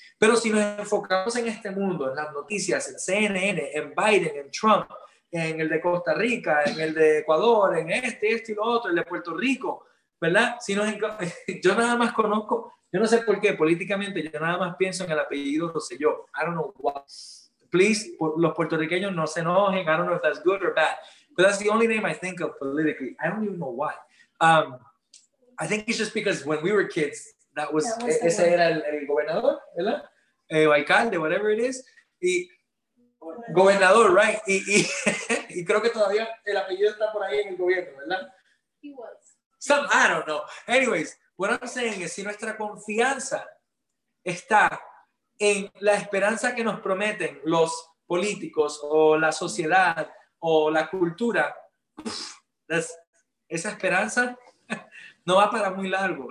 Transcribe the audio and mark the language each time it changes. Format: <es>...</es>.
<es>Pero si nos enfocamos en este mundo, en las noticias, en CNN, en Biden, en Trump, en el de Costa Rica, en el de Ecuador, en este y lo otro, el de Puerto Rico, ¿verdad? Si no, yo nada más conozco, yo no sé por qué, políticamente, yo nada más pienso en el apellido Rosselló.</es> <en>I don't know what. Please,</en> <es>los puertorriqueños no se enojen.</es> <en>I don't know if that's good or bad. But that's the only name I think of politically. I don't even know why. I think it's just because when we were kids,</en> <es>ese era el gobernador, ¿verdad? El alcalde,</es> <en>whatever it is. Gobernador, right?</en> <es>Y creo que todavía el apellido está por ahí en el gobierno, ¿verdad?</es> <en>He was. I don't know. Anyways, what I'm saying is,</en> <es>si nuestra confianza está en la esperanza que nos prometen los políticos o la sociedad o la cultura, esa esperanza no va para muy largo.</es>